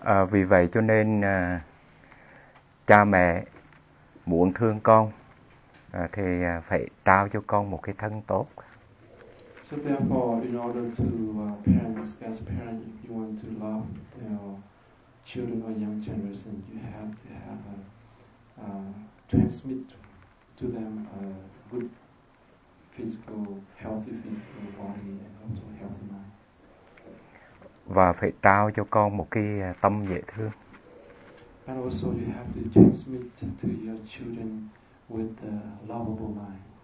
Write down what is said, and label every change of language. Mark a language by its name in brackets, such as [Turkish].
[Vietnamese] Vì vậy cho nên cha mẹ muốn thương con thì phải trao cho con một cái thân tốt. [English] So therefore, in order to parents, as parents, if you want to love your children or young generation, you have to have transmit to them a good physical, healthy physical body, and also healthy mind. [Vietnamese] Và phải trao cho con một cái tâm dễ thương. [English] And also you have to transmit to your children with a lovable mind.